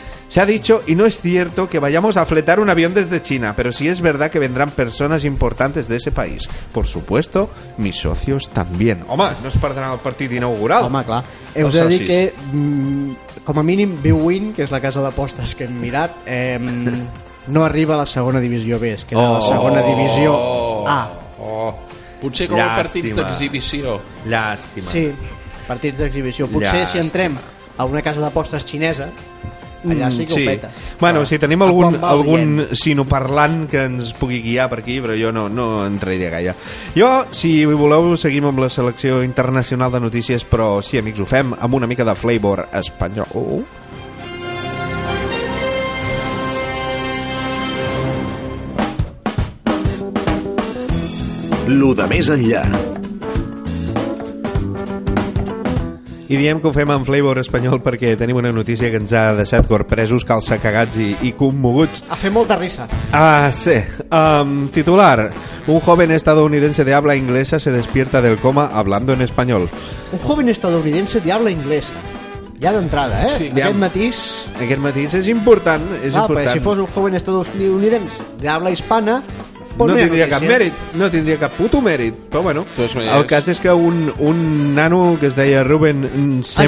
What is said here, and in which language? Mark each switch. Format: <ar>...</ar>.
<es>Se ha dicho, y no es cierto, que vayamos a fletar un avión desde China, pero sí es verdad que vendrán personas importantes de ese país. Por supuesto, mis socios también.</es> <ca>Home, no es perdran el partit inaugural. Home, clar. Heu de dir que, com a mínim, Biwin, que és la casa d'apostes que hem mirat, no arriba a la segona divisió B, es queda a la segona divisió A. Potser com a partits d'exhibició. Llàstima. Sí, partits d'exhibició. Potser si entrem a una casa d'apostes xinesa, allà sí que ho peta. Bueno, si tenim algun sinoparlant que ens pugui guiar per aquí, però jo no entraria gaire. Jo, si voleu, seguim amb la selecció internacional de notícies, però sí, amics, ho fem amb una mica de flavor espanyol. Lo de més enllà. I diem que ho fem en flavor espanyol perquè tenim una notícia que ens ha deixat corpresos, calçacagats i commoguts. A fer molta risa. Sí. Titular.</ca> <es>Un joven estadounidense de habla inglesa se despierta del coma hablando en español. Un joven estadounidense de habla inglesa.</es> <ca>Ja d'entrada, eh? Sí. Aquest matís és important. És important. Perquè si fos</ca> <es>un joven estadounidense de habla hispana...</es> <ca>No tindria cap mèrit, no tindria cap puto mèrit. Però bueno, el cas és que un nano que es deia Ruben</ca>